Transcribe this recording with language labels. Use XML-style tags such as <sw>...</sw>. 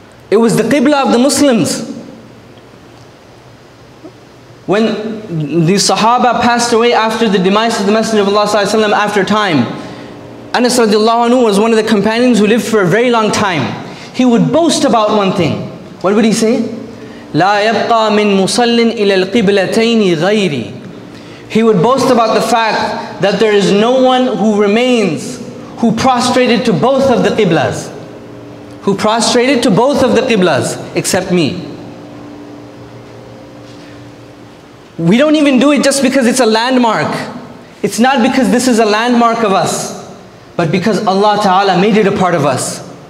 <en>It was the Qibla of the Muslims. When the Sahaba passed away after the demise of the Messenger of Allah ﷺ after time, Anas radiallahu anhu was one of the companions who lived for a very long time. He would boast about one thing. What would he say?</en> <ar>لا يبقى من مصل إلى القبلتين غيري.</ar> <en>He would boast about the fact that there is no one who remains who prostrated to both of the qiblas. Who prostrated to both of the qiblas except me. We don't even do it just because it's a landmark. It's not because this is a landmark of us, but because Allah Ta'ala made it a part of us.</en>